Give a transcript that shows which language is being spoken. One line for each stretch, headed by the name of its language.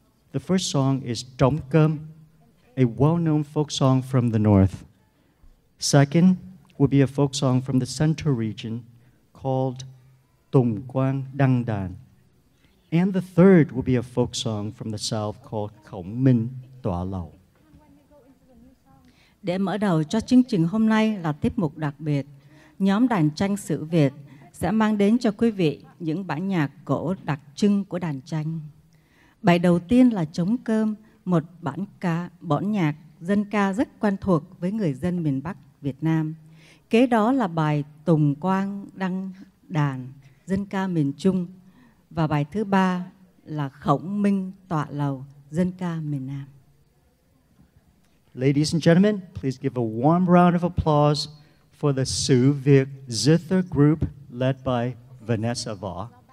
English: The first song is Trống Cơm, a well-known folk song from the north. Second will be a folk song from the central region called Tùng Quang Đăng Đàn. And the third will be a folk song from the south called Khổng Minh Tỏa Lầu.
Vietnamese: Để mở đầu cho chương trình hôm nay là tiết mục đặc biệt, nhóm đàn tranh sử Việt sẽ mang đến cho quý vị những bản nhạc cổ đặc trưng của đàn tranh. Bài đầu tiên là Trống Cơm, một bản ca, bản nhạc dân ca rất quen thuộc với người dân miền Bắc Việt Nam. Kế đó là bài Tùng Quang Đăng Đàn, dân ca miền Trung. Và bài thứ ba là Khổng Minh Tọa Lầu, dân ca miền Nam.
English: Ladies and gentlemen, please give a warm round of applause for the Sử Việt Zither Group led by Vanessa Vaugh.